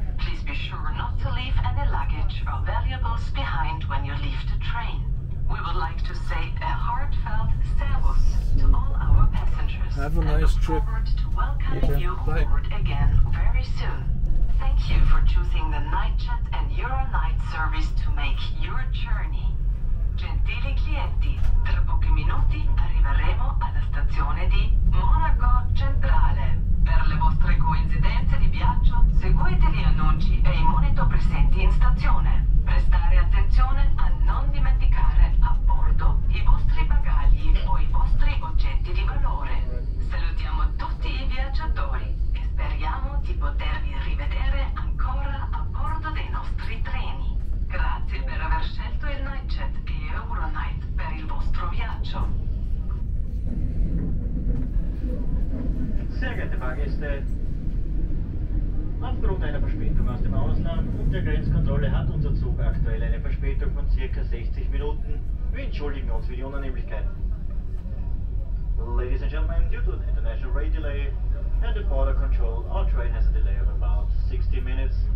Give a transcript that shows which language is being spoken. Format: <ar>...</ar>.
<en>Please be sure not to leave any luggage or valuables behind when you leave the train. We would like to say a heartfelt servus to all our passengers. Have a nice trip. Forward to welcoming okay. you Bye. Aboard again very soon. Thank you for choosing the Nightjet and EuroNight service to make your journey.</en> <it>Gentili clienti, tra pochi minuti arriveremo alla stazione di Monaco Centrale. Per le vostre coincidenze di viaggio, seguite gli annunci e i monitor presenti in stazione. Prestare attenzione a non dimenticare a bordo i vostri bagagli o i vostri oggetti di valore. Salutiamo tutti i viaggiatori. Speriamo di potervi rivedere ancora a bordo dei nostri treni. Grazie per aver scelto il Nightjet e EuroNight per il vostro viaggio.</it> <de>Sehr geehrte Fahrgäste, aufgrund einer Verspätung aus dem Ausland und der Grenzkontrolle hat unser Zug aktuell eine Verspätung von ca. 60 Minuten. Wir entschuldigen uns für die Unannehmlichkeiten.</de> <en>Ladies and gentlemen, due to an international rail delay and the border control, our train has a delay of about 60 minutes.</en>